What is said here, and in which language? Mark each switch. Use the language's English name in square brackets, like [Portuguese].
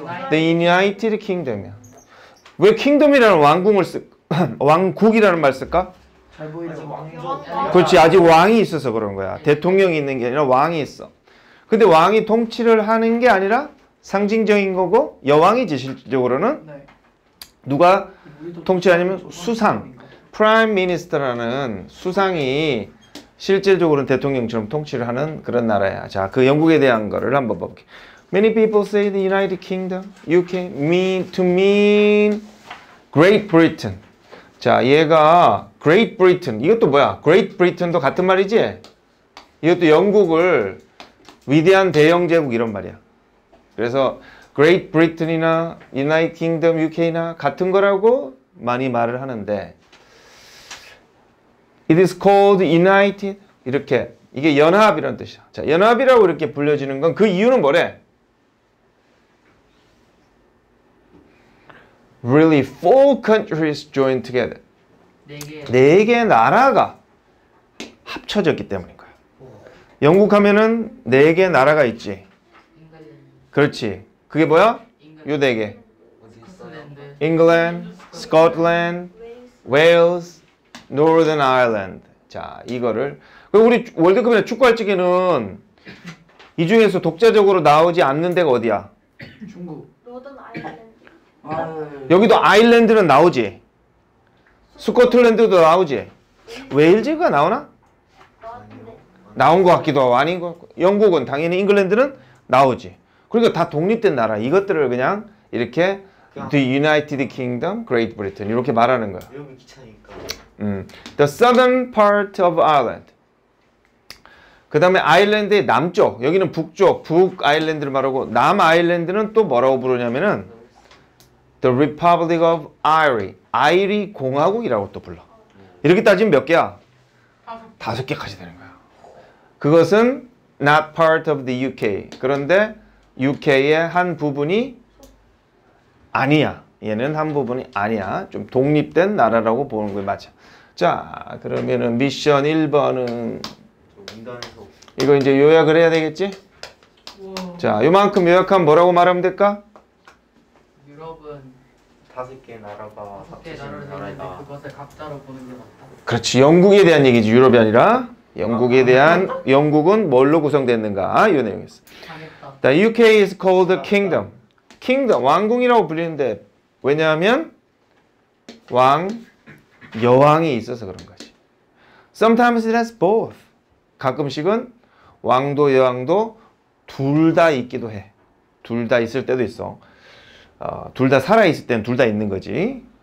[English] The United Kingdom이야. [Korean] 왜 킹덤이라는 왕궁을 쓸, 왕국이라는 말 쓸까? 잘 보이죠? 왕족. 그렇지, 아직 왕이 있어서 그런 거야. 대통령이 있는 게 아니라 왕이 있어. 근데 왕이 통치를 하는 게 아니라 상징적인 거고 여왕이지, 실질적으로는. 누가 통치하냐면 수상. Prime Minister라는 수상이 실질적으로는 대통령처럼 통치를 하는 그런 나라야. 자, 그 영국에 대한 거를 한번 봐볼게. [English] Many people say the United Kingdom, UK, to mean Great Britain. [Korean] 자, 얘가 Great Britain. 이것도 뭐야? Great Britain도 같은 말이지? 이것도 영국을 위대한 대영제국 이런 말이야. 그래서 Great Britain이나 United Kingdom, UK나 같은 거라고 많이 말을 하는데 [English] It is called United [Korean] 이렇게 이게 연합이란 뜻이야. 자, 연합이라고 이렇게 불려지는 건 그 이유는 뭐래? [English] Really four countries joined together. [Korean] 네 개의 나라가 합쳐졌기 때문인 거야. 영국 하면은 네 개의 나라가 있지. 그렇지. 그게 뭐야? 요 네 개. [English] England, Scotland, Wales, Northern Ireland. [Korean] 자, 이거를 우리 월드컵이나 축구할 적에는 이 중에서 독자적으로 나오지 않는 데가 어디야? 중국. [English] Northern Ireland. [Korean] 여기도 아일랜드는 나오지. 스코틀랜드도 나오지. 웨일즈가 나오나? 나온 것 같기도 하고 아닌 것 같고. 영국은 당연히 잉글랜드는 나오지. 그러니까 다 독립된 나라 이것들을 그냥 이렇게 The United Kingdom, Great Britain 이렇게 말하는 거야. 귀찮으니까. [English] The southern part of Ireland. [Korean] 그 다음에 아일랜드의 남쪽, 여기는 북쪽, 북아일랜드를 말하고 남아일랜드는 또 뭐라고 부르냐면은 The Republic of Eire, 아이리 공화국이라고 또 불러. 이렇게 따지면 몇 개야? 5개까지 되는 거야. 그것은 [English] not part of the UK. [Korean] 그런데 UK의 한 부분이 아니야. 얘는 한 부분이 아니야. 좀 독립된 나라라고 보는 거 맞아. 자, 그러면은 미션 1번은 이거 이제 요약을 해야 되겠지? 자, 요만큼 요약하면 뭐라고 말하면 될까? 유럽은 5개의 나라가 5개의 나라가 있는데 그것을 각자로 보는 게 맞다. 그렇지. 영국에 대한 얘기지. 유럽이 아니라 영국에 대한 영국은 뭘로 구성됐는가? 요 내용이었어. [English] The UK is called a kingdom. [Korean] Kingdom, 왕궁이라고 불리는데 왜냐하면 왕, 여왕이 있어서 그런 거지. [English] Sometimes it has both. [Korean] 가끔씩은 왕도 여왕도 둘 다 있기도 해. 둘 다 있을 때도 있어. 둘 다 살아 있을 때는 둘 다 있는 거지.